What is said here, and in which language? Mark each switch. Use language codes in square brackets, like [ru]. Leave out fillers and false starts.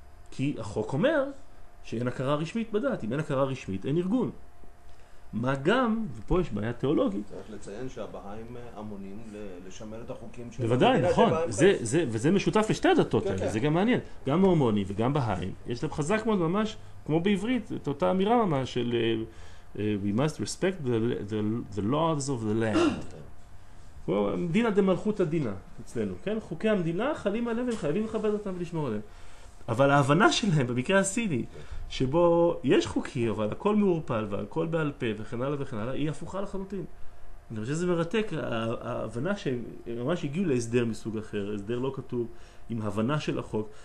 [he] כי החוק אומר שאין הכרה רשמית בדת. אם אין הכרה רשמית, אין ארגון. מה גם, ופה יש בעיה תיאולוגית. צריך לציין שהבאים אמונים לשמר את החוקים של... בוודאי, נכון. וזה משותף לשתי הדתות האלה, זה גם מעניין. גם מורמוני וגם בהיים, יש להם חזק מאוד ממש, כמו בעברית, את אותה אמירה ממש של... [en] We must respect the laws of the land. [he] דינא דמלכותא דינא אצלנו, כן? חוקי המדינה חלים עליהם והם חייבים לכבד אותם ולשמור עליהם. אבל ההבנה שלהם במקרה הסיני, שבו יש חוקי אבל הכל מעורפל והכל בעל פה וכן הלאה וכן הלאה, היא הפוכה לחלוטין. אני חושב שזה מרתק, ההבנה שהם ממש הגיעו להסדר מסוג אחר, הסדר לא כתוב, עם הבנה של החוק.